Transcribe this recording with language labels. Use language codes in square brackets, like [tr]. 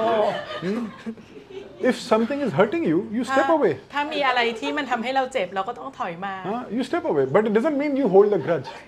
[en] If something is hurting you, you step away. [th] ถ้ามีอะไรที่มันทำให้เราเจ็บเราก็ต้องถอยมา [en] You step away, but it doesn't mean you hold the grudge.